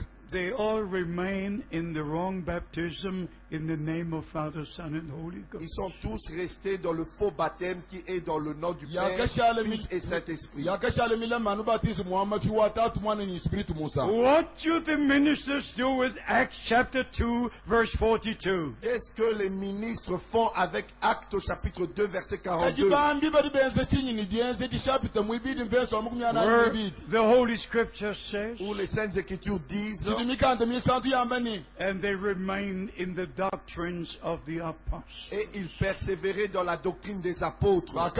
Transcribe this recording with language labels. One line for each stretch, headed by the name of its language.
English: they all remain in the wrong baptism in the name of Father, Son, and Holy Ghost.
French: Ils sont tous restés dans le faux baptême qui est dans le nom du Père, Fils et Saint-Esprit.
English: What do the ministers do with Acts chapter 2, verse 42?
French: Qu'est-ce que les ministres font avec Actes chapitre 2, verset 42?
English: Where the Holy Scripture says,
French: où les Saintes Écritures disent,
English: and they remained in the doctrines of the apostles.
French: Et ils persévéraient dans la doctrine des apôtres.